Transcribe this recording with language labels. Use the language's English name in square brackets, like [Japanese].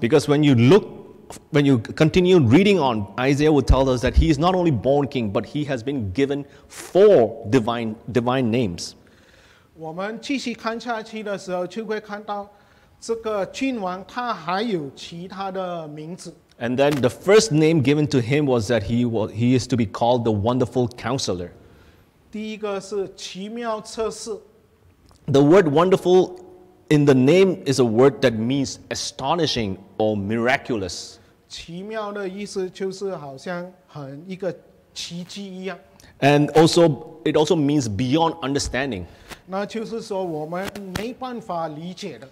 [English] Because when you continue reading on, Isaiah will tell us that he is not only born king, but he has been given four divine names. [Chinese] 我们继续看下去的时候，就会看到这个君王他还有其他的名字。 [English] And then the first name given to him was that he is to be called the Wonderful Counselor. [Chinese] 第一个是奇妙测试。 [English] The word wonderful in the name is a word that means astonishing or miraculous. [Chinese] 奇妙的意思就是好像很一个奇迹一样。 [English] And also, it also means beyond understanding. [Chinese] 那就是说我们没办法理解的。